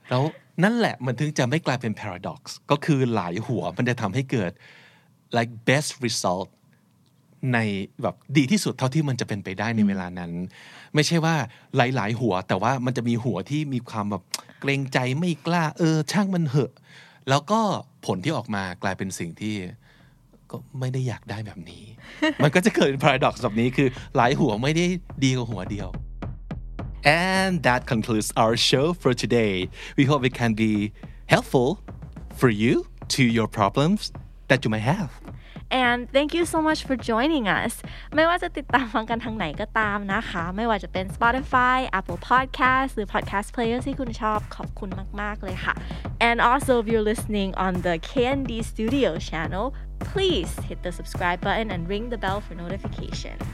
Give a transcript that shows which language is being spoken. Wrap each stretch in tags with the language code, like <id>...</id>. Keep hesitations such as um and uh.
<th>แล้วนั่นแหละมันถึงจะไม่กลายเป็น paradox ก็คือหลายหัวมันจะทำให้เกิด</th> <en>like best result</en> <th>ในแบบดีที่สุดเท่าที่มันจะเป็นไปได้ในเวลานั้น ไม่ใช่ว่าหลาย ๆ หัว แต่ว่ามันจะมีหัวที่มีความแบบเกรงใจไม่กล้า เออ ช่างมันเหอะ แล้วก็ผลที่ออกมากลายเป็นสิ่งที่ ก็ไม่ได้อยากได้แบบนี้ มันก็จะเกิดเป็น paradox แบบนี้คือหลายหัวไม่ได้ดีกว่าหัวเดียว</th> <en>And that concludes our show for today. We hope it can be helpful for you to your problems that you might have. and thank you so much for joining us</en> <th>ไม่ว่าจะติดตามฟังกันทางไหนก็ตามนะคะ ไม่ว่าจะเป็น Spotify Apple Podcast หรือ Podcast Player ที่คุณชอบขอบคุณมาก ๆ เลยค่ะ</th> <en>and also if you're listening on the KND Studio channel please hit the subscribe button and ring the bell for notification</en>